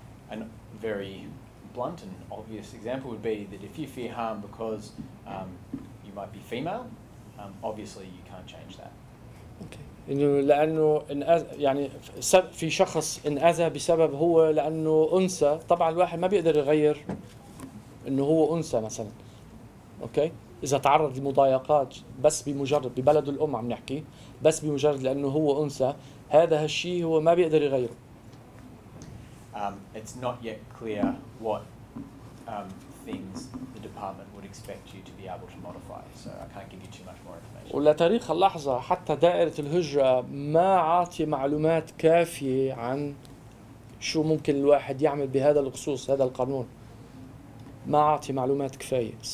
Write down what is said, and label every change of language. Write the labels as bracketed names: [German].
[English] and very blunt and obvious example would be that if you fear harm because you might be female obviously you can't change that. [Arabic] اوكي انه لانه يعني في شخص انأذى بسبب هو لانه انثى طبعا الواحد ما بيقدر يغير انه هو انثى مثلا اوكي إذا تعرض لمضايقات بس بمجرد ببلد الأم عم نحكي بس بمجرد لأنه هو أنثى هذا هالشيء هو ما بيقدر يغيره. [English] It's not yet clear what things the department would expect you to be able to modify, so I can't give you too much more information. [Arabic] ولتاريخ اللحظة حتى دائرة الهجرة ما عاطي معلومات كافية عن شو ممكن الواحد يعمل بهذا الخصوص هذا القانون ما عاطي معلومات كفاية.